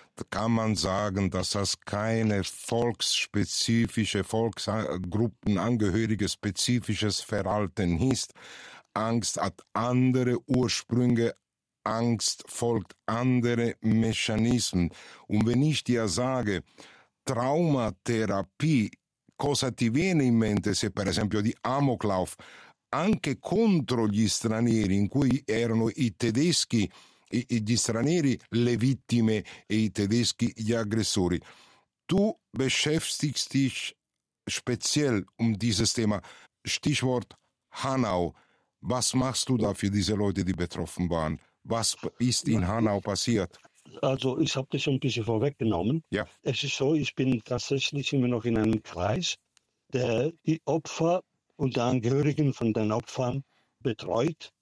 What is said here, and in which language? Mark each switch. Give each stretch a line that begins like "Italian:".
German: Kann man sagen, dass das keine volksspezifische, volksgruppenangehörige spezifisches Verhalten ist? Angst hat andere Ursprünge Angst folgt andere Mechanismen. Und wenn ich dir sage,
Italian: Traumatherapie, cosa ti viene in mente se per esempio di Amoklauf, anche contro gli stranieri, in cui erano i tedeschi, gli stranieri le vittime e i tedeschi gli aggressori.
German: Tu beschäftigst dich speziell dieses Thema, Stichwort Hanau. Was machst du da für diese Leute, die betroffen waren? Was ist in Hanau passiert? Also ich habe das schon ein bisschen vorweggenommen. Ja. Es ist so, ich bin tatsächlich immer noch in einem Kreis, der die Opfer und die Angehörigen von den Opfern betreut.